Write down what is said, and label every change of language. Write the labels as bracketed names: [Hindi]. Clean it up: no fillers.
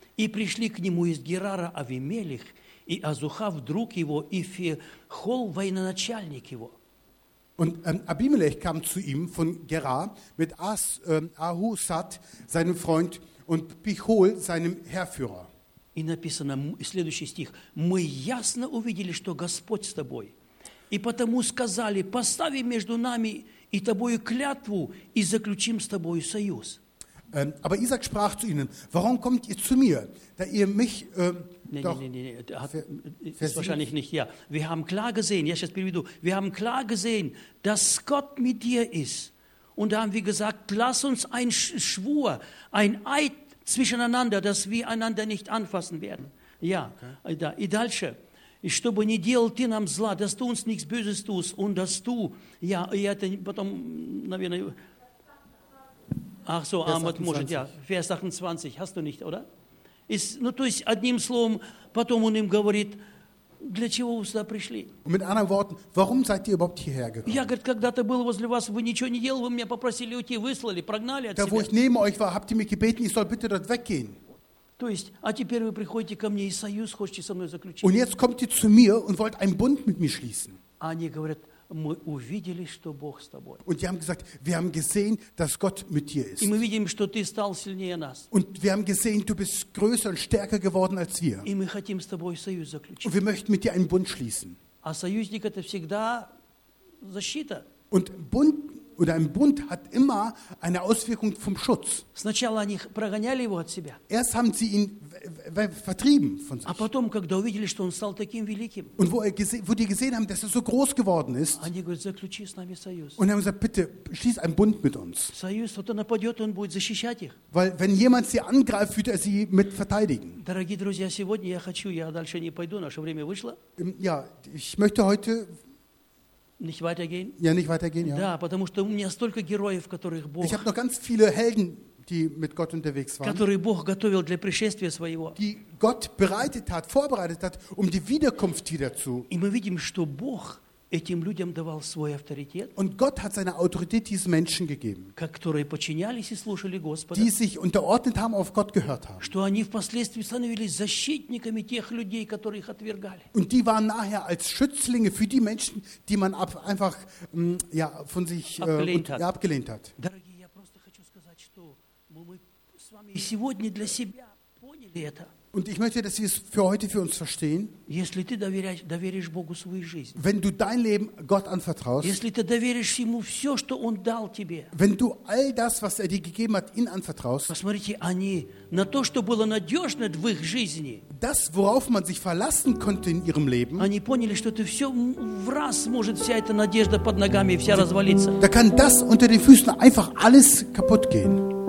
[Russian] И пришли к нему из Герара Авимелех и Азухав, друг его, и Фехол, военачальник его. [German] Und Abimelech kam zu ihm von Gerar mit Ahusat, seinem Freund, und Pichol, seinem Herrführer. [Russian] И написано следующий стих: Мы ясно увидели, что Господь с тобой, и потому сказали: Постави между нами и тобою клятву и заключим с тобою союз. [German] Aber Isaac sprach zu ihnen: Warum kommt ihr zu mir, da ihr mich wahrscheinlich nicht. Ja, wir haben klar gesehen. Ja, ich jetzt wieder. Wir haben klar gesehen, dass Gott mit dir ist. Und da haben wir gesagt: Lass uns ein Schwur, ein Eid zwischeneinander, dass wir einander nicht anfassen werden. Ja, okay. Da. [Russian] И дальше. И чтобы не делал ты нам зла, [German] dass du uns nichts Böses tust und dass du, ja, [Russian] я это потом, наверное. [German] Ach so, Ahmad [Russian] может, [German] ja. Vers 28, hast du nicht, oder? [Russian] Ist, ну, то есть, одним словом, потом он им говорит, для чего вы сюда пришли? [German] Mit anderen Worten, warum seid ihr überhaupt hierher gekommen? [Russian] Я, говорит, когда-то был возле вас, вы ничего не делали, вы меня попросили уйти, выслали, прогнали от себя. [German] Da, wo ich neben euch war, habt ihr mich gebeten, ich soll bitte dort weggehen. [Russian] То есть, а теперь вы приходите ко мне и союз хотите со мной заключить. [German] Und jetzt kommt ihr zu mir und wollt einen Bund mit mir schließen. [Russian] Они говорят, мы увидели, что Бог с тобой. [German] Und die haben gesagt, wir haben gesehen, dass Gott mit dir ist. [Russian] И мы видим, что ты стал сильнее нас. [German] Und wir haben gesehen, du bist größer und stärker geworden als wir. [Russian] И мы хотим с тобой союз заключить. [German] Und wir möchten mit dir einen Bund schließen. [Russian] А союзник это всегда защита. [German] Und Bund oder ein Bund hat immer eine Auswirkung vom Schutz. [Russian] Сначала они прогоняли его от себя. [German] Erst haben sie ihn vertrieben von sich. [Russian] А потом, когда увидели, что он стал таким великим, [German] und wo die gesehen haben, dass er so groß geworden ist, [Russian] они говорят, заключи с нами союз. [German] Und haben gesagt, bitte, schließ einen Bund mit uns. [Russian] Союз, кто-то нападет, он будет защищать их. [German] Weil wenn jemand sie angreift, wird er sie mit verteidigen. [Russian] Дорогие друзья, сегодня я хочу, я дальше не пойду, наше время вышло. [German] Ja, ich möchte heute nicht weitergehen. Ja, nicht weitergehen, ja. [Russian] Да, потому что у меня столько героев, которых Бог... [German] Ich habe noch ganz viele Helden, die mit Gott unterwegs waren, [Russian] которые Бог готовил для пришествия своего. [German] Die Gott bereitet hat, vorbereitet hat, um die Wiederkunft wieder zu. [Russian] И мы видим, что Бог этим людям давал свой авторитет. [German] Und Gott hat seine Autorität diesen Menschen gegeben, [Russian] которые подчинялись и слушали Господа, [German] die sich unterordnet haben, auf Gott gehört haben, [Russian] что они впоследствии становились защитниками тех людей, которые их отвергали. [German] Und die waren nachher als Schützlinge für die Menschen, die man einfach ja, von sich abgelehnt hat. [Russian] Дорогие, я просто хочу сказать, что мы с вами и сегодня для себя поняли это. [German] Und ich möchte, dass Sie es für heute für uns verstehen. [Russian] Если ты доверишь Богу свою жизнь, [German] wenn du dein Leben Gott anvertraust, [Russian] если ты доверишь ему все, что он дал тебе, [German] wenn du all das, was er dir gegeben hat, ihn anvertraust, [Russian] посмотрите, они на то, что было надежно в их жизни, [German] das, worauf man sich verlassen konnte in ihrem Leben, [Russian] они поняли, что ты все в раз может вся эта надежда под ногами вся развалиться. [German] Da kann das unter den Füßen einfach alles kaputt gehen.